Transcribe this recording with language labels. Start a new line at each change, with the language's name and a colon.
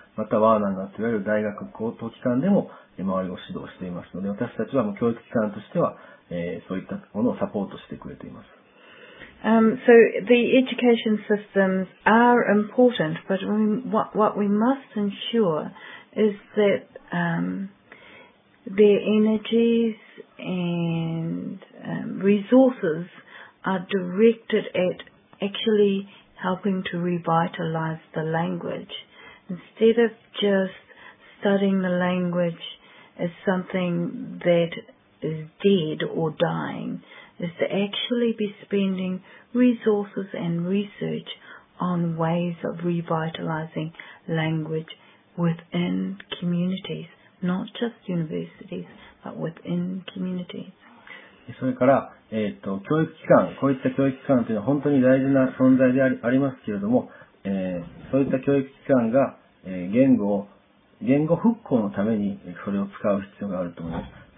Japanese: またワーナンガといわれる大学高等機関でも周り語指導していますので、私たちは教育機関としては、そういったものをサポートしてくれています。
English: So the education systems are important, but what we must ensureis that their energies and resources are directed at actually helping to revitalize the language. Instead of just studying the language as something that is dead or dying, is to actually be spending resources and research on ways of revitalizing language. Within communities, not just universities, but within communities.
Japanese: それから、教育機関、こういった教育機関というのは本当に大事な存在でありますけれども、そういった教育機関が、言語復興のためにそれを使う必要があると思います。